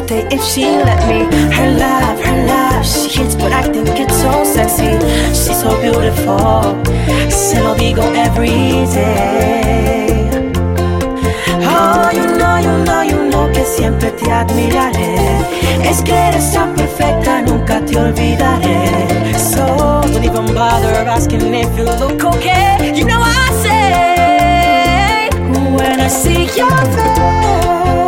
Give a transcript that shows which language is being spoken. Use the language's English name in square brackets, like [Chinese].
[English] if she let me. Her laugh, she hits, but I think it's so sexy. She's so beautiful, [Spanish] se lo digo [English] every day. Oh, you know [Spanish] que siempre te admiraré. Es que eres tan perfecta, nunca te olvidaré. [English] So, don't even bother asking if you look okay. You know I say, when I see your face,